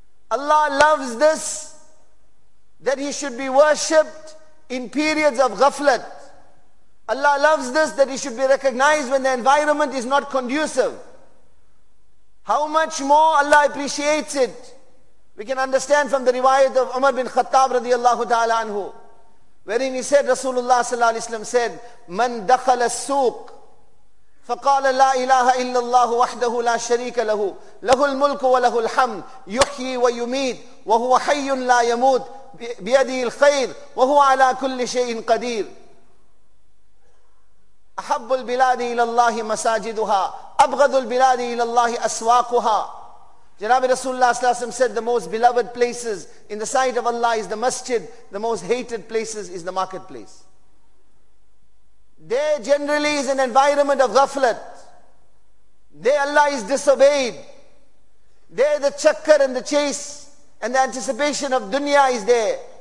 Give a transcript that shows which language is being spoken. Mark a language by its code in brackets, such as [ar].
[en] Allah loves this, that he should be worshipped in periods of ghaflat. Allah loves this, that he should be recognized when the environment is not conducive. How much more Allah appreciates it? We can understand from the riwayat of Umar bin Khattab radiallahu ta'ala anhu, wherein he said, Rasulullah sallallahu alayhi wa sallam said, [ar] مَنْ دَخَلَ السُّوقِ فَقَالَ لَا إِلَهَ إِلَّا اللَّهُ وَحْدَهُ لَا شَرِيكَ لَهُ لَهُ الْمُلْكُ وَلَهُ الْحَمْدُ يُحْيِي وَيُمِيتُ وَهُوَ حَيٌّ لَا يَمُوتُ بِيَدِهِ الْخَيْرِ وَهُوَ عَلَى كُلِّ شَيْءٍ قَدِيرٌ أَحَبُّ الْبِلَادِ إِلَى اللَّهِ مَسَاجِدُهَا أَبْغَضُ الْبِلَادِ إِلَى اللَّهِ أَسْوَاقُهَا. [en] Janabi Rasulullah sallallahu alaihi wasallam said, the most beloved places in the sight of Allah is the masjid, the most hated places is the marketplace. There generally is an environment of ghaflat. There Allah is disobeyed. There the chakkar and the chase and the anticipation of dunya is there.